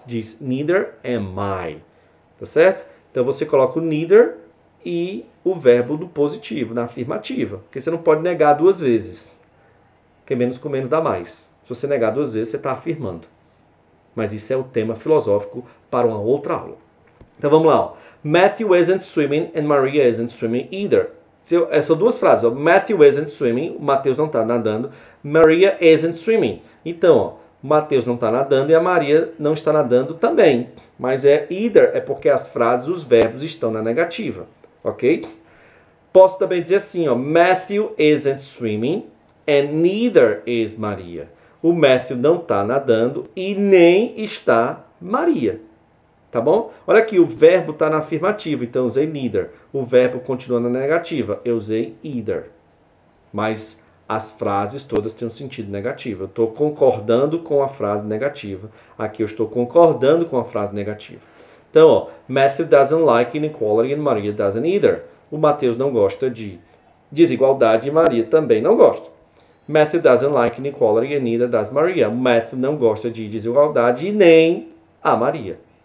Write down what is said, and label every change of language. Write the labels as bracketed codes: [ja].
[pt] Diz [en] neither am I. [pt] Tá certo? Então você coloca o neither e o verbo do positivo, na afirmativa. Porque você não pode negar duas vezes. Porque menos com menos dá mais. Se você negar duas vezes, você está afirmando. Mas isso é o tema filosófico para uma outra aula. Então vamos lá. [en] Matthew isn't swimming and Maria isn't swimming either. [pt] Essas duas frases. [en] Matthew isn't swimming. [pt] O Matheus não está nadando. [en] Maria isn't swimming. [pt] Então, ó, o Matheus não está nadando e a Maria não está nadando também. Mas é either. É porque as frases, os verbos estão na negativa. Ok? Posso também dizer assim. Ó, [en] Matthew isn't swimming and neither is Maria. [pt] O Matthew não está nadando e nem está Maria. Tá bom? Olha aqui, o verbo está na afirmativa, então usei neither. O verbo continua na negativa, eu usei either. Mas as frases todas têm um sentido negativo. Eu estou concordando com a frase negativa. Aqui eu estou concordando com a frase negativa. [en] Então, ó, Matthew doesn't like inequality and Maria doesn't either. [pt] O Matheus não gosta de desigualdade e Maria também não gosta. [en] Matthew doesn't like inequality and neither does Maria. [pt] Matthew não gosta de desigualdade e nem a Maria.